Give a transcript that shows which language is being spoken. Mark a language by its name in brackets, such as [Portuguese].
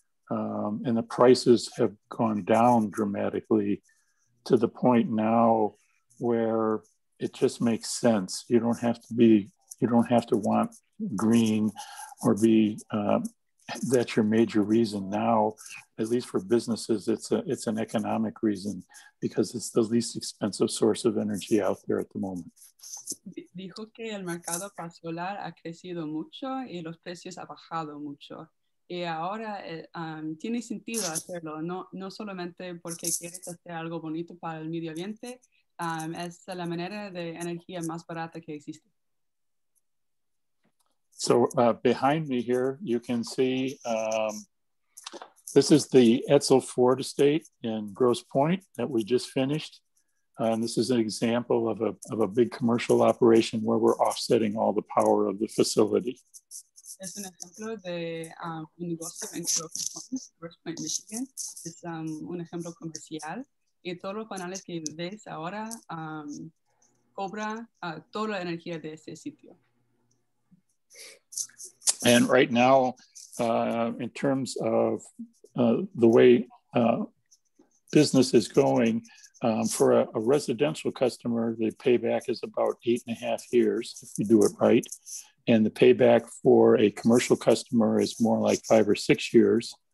[English] And the prices have gone down dramatically to the point now where it just makes sense. You don't have to be, you don't have to want green or be, that's your major reason now, at least for businesses, it's an economic reason because it's the least expensive source of energy out there at the moment. [Spanish] Dijo que el mercado para solar ha crecido mucho y los precios ha bajado mucho. Y ahora tiene sentido hacerlo, no solamente porque quieres hacer algo bonito para el medio ambiente, es la manera de energía más barata que existe. [English] So behind me here, you can see, this is the Edsel Ford Estate in Grosse Pointe that we just finished. And this is an example of a big commercial operation where we're offsetting all the power of the facility. [Spanish] Es un ejemplo de un negocio en Grosse Pointe, Michigan. Es un ejemplo comercial. Y todos los paneles que ves ahora cobra toda la energía de ese sitio. [English] And right now, in terms of the way business is going, for a residential customer, the payback is about 8.5 years, if you do it right. And the payback for a commercial customer is more like 5 or 6 years.